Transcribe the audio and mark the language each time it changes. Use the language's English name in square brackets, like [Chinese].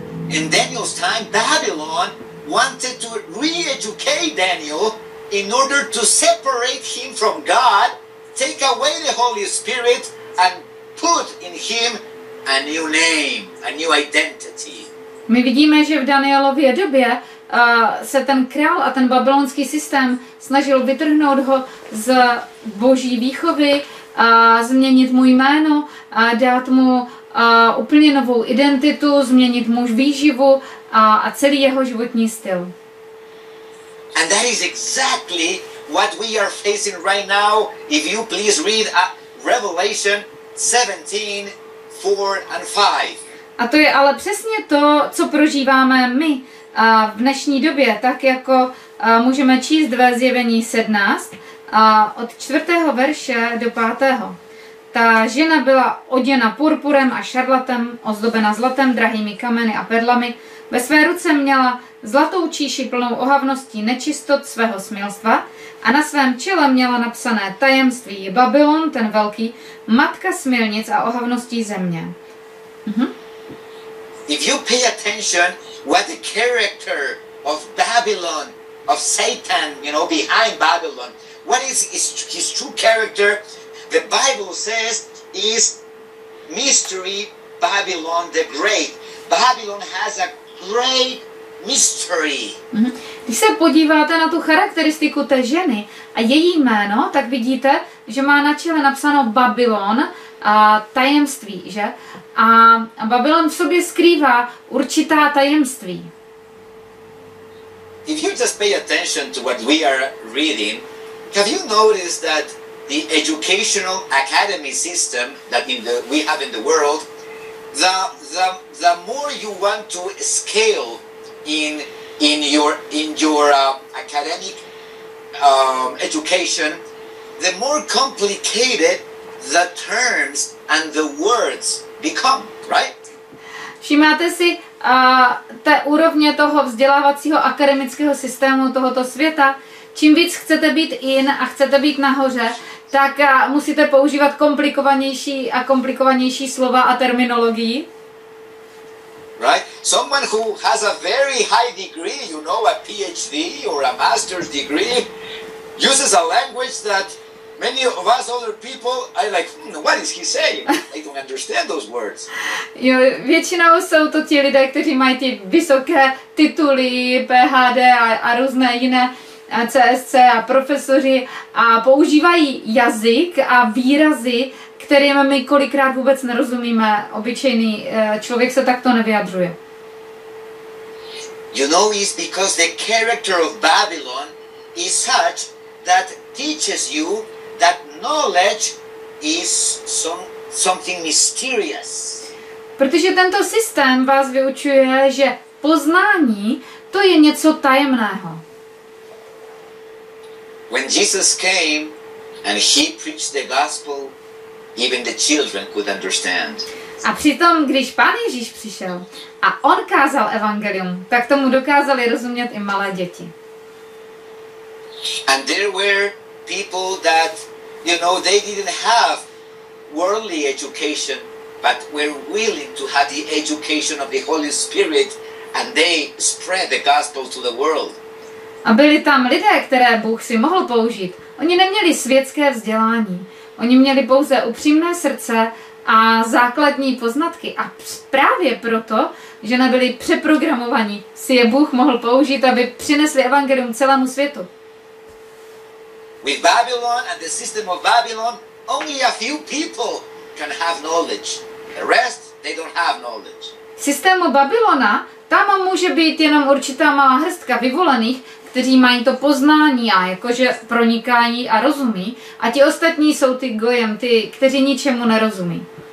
[English] In Daniel's time, Babylon wanted to re-educate Daniel in order to separate him from God, take away the Holy Spirit, and put in him a new name, a new identity. [Czech] My vidíme, že v Danielově době se ten král a ten babylonský systém snažil vytrhnout ho z boží výchovy, změnit mu jméno, dát mu úplně novou identitu, změnit muž výživu a celý jeho životní styl. [English] And that is exactly what we are facing right now. If you please read Revelation 17:4-5. [Czech] A to je ale přesně to, co prožíváme my v dnešní době, tak jako můžeme číst ve Zjevení 17 od 4. verše do 5. Ta žena byla oděna purpurem a šarlatem, ozdobena zlatem, drahými kameny a perlami. Ve své ruce měla zlatou číši plnou ohavností nečistot svého smilstva a na svém čele měla napsané tajemství Babylon, ten velký, matka smilnic a ohavností země. [English] If you pay attention what the character of Babylon, of Satan, you know, behind Babylon, what is his true character? The Bible says is mystery Babylon the Great. Babylon has a great mystery. [Czech] Když se podíváte na tu charakteristiku té ženy a její jméno, tak vidíte, že má na čele napsáno Babylon, a tajemství, že? A Babylon v sobě skrývá určitá tajemství. [English] If you just pay attention to what we are reading, have you noticed that the educational academy system that we have in the world, the more you want to scale in your academic education, the more complicated the terms and the words become, right? [Czech] Všimáte si té úrovně toho vzdělávacího akademického systému tohoto světa? Čím víc chcete být in a chcete být nahoře, tak musíte používat komplikovanější a komplikovanější slova a terminologii. [English] Right? Someone who has a very high degree, you know, a PhD or a master's degree, uses a language that many of us other people are like, what is he saying? I don't understand those words. [Czech] Jo, většinou jsou to ti lidé, kteří mají ty vysoké tituly, PhD a různé jiné CSC a profesoři a používají jazyk a výrazy, kterým my kolikrát vůbec nerozumíme. Obyčejný člověk se takto nevyjadřuje. [English] You know, it's because the character of Babylon is such that teaches you that knowledge is something mysterious. [Czech] Protože tento systém vás vyučuje, že poznání to je něco tajemného. [English] When Jesus came and he preached the gospel, even the children could understand. [Czech] A přitom, když Pán Ježíš přišel a on kázal evangelium, tak tomu dokázali rozumět i malé děti. [English] And there were people that, you know, they didn't have worldly education, but were willing to have the education of the Holy Spirit, and they spread the gospel to the world. [Czech] A byli tam lidé, které Bůh si mohl použít. Oni neměli světské vzdělání. Oni měli pouze upřímné srdce a základní poznatky. A právě proto, že nebyli přeprogramovaní, si je Bůh mohl použít, aby přinesli evangelium celému světu. [English] With Babylon and the system of Babylon, only a few people can have knowledge. The rest, they don't have knowledge. [Czech] Systému Babylona, tam může být jenom určitá malá hrstka vyvolených, kteří mají to poznání a jakože pronikají a rozumí, a ti ostatní jsou ty gojem, ty, kteří ničemu nerozumí.